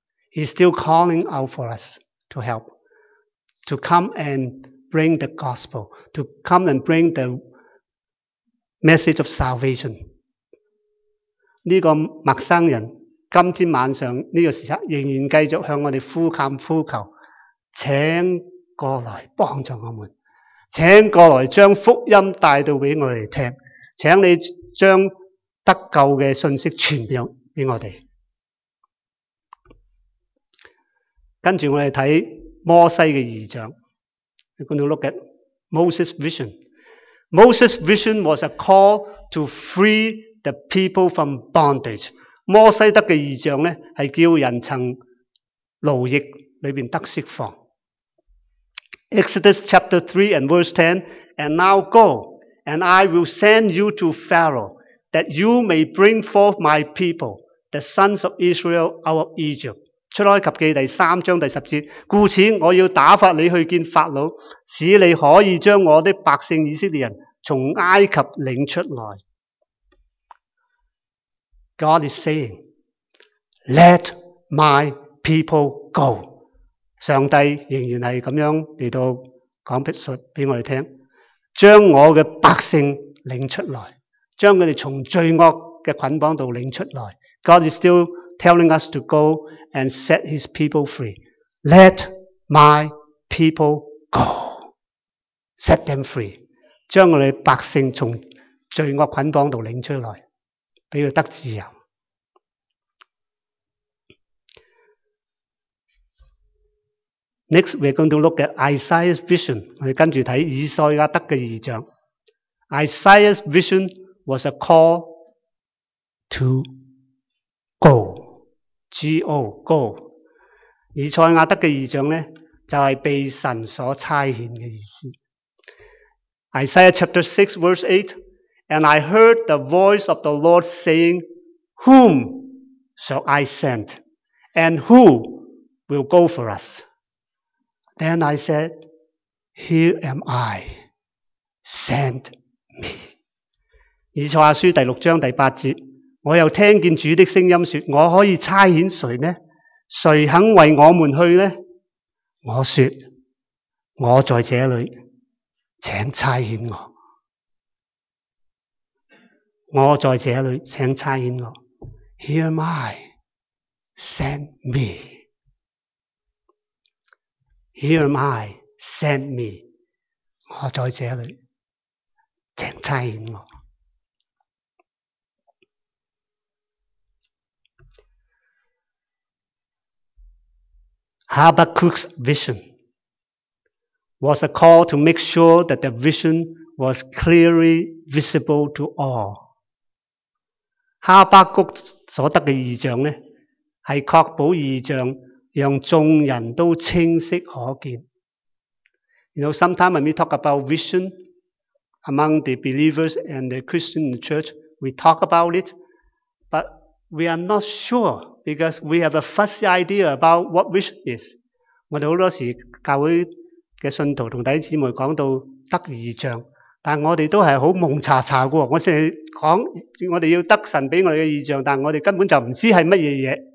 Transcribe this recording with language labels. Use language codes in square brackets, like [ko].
[en] He's still calling out for us to help, to come and bring the gospel, to come and bring the message of salvation. [zh] 这个陌生人今天晚上这个时刻仍然继续向我们呼喊呼求，请过来帮助我们，请过来将福音带到给我们听，请你将得救的信息传扬给我们。跟着我们看摩西的异象， [en] We're going to look at Moses' vision. Moses' vision was a call to free the people from bondage. [zh] 摩西得的异象呢，是叫人从奴役里面得释放。 [en] Exodus chapter 3 and verse 10, And now go, and I will send you to Pharaoh, that you may bring forth my people, the sons of Israel, out of Egypt. [zh] 出埃及记第三章第十节，故此我要打发你去见法老，使你可以将我的百姓以色列人从埃及领出来。 [en] God is saying, let my people go. [zh] 上帝仍然是这样来到讲述给我们听，将我的百姓领出来，将他们从罪恶的捆绑到领出来。 [en] God is still telling us to go and set his people free. Let my people go. Set them free. [zh] 将他们百姓从罪恶捆绑到领出来，给他们得自由。 [en] Next, we're going to look at Isaiah's vision. [zh] 我们跟着看以赛亚德的异象。 [en] Isaiah's vision was a call to go. G-O, go. [zh] 以赛亚德的异象呢，就是被神所差遣的意思。 [en] Isaiah chapter 6, verse 8, And I heard the voice of the Lord saying, Whom shall I send? And who will go for us? Then I said, Here am I, send me. [zh] 以赛亚书第六章第八节，我又听见主的声音说，我可以差遣谁呢？谁肯为我们去呢？我说，我在这里，请差遣我。我在这里，请差遣我。 [en] Here am I, send me. Here am I, send me. [zh] 我在这里，请差遣我。 [en] Habakkuk's vision was a call to make sure that the vision was clearly visible to all. [zh] 哈巴谷所得的异象呢，是确保异象让众人都清晰可见。 [en] You know, sometimes when we talk about vision among the believers and the Christian church, we talk about it, but we are not sure because we have a fuzzy idea about what vision is. [zh] 我们很多时候教会的信徒和弟兄姊妹讲到得异象，但我们都是很蒙查查的。我只是讲我们要得神给我们的异象，但我们根本就不知道是什么东西。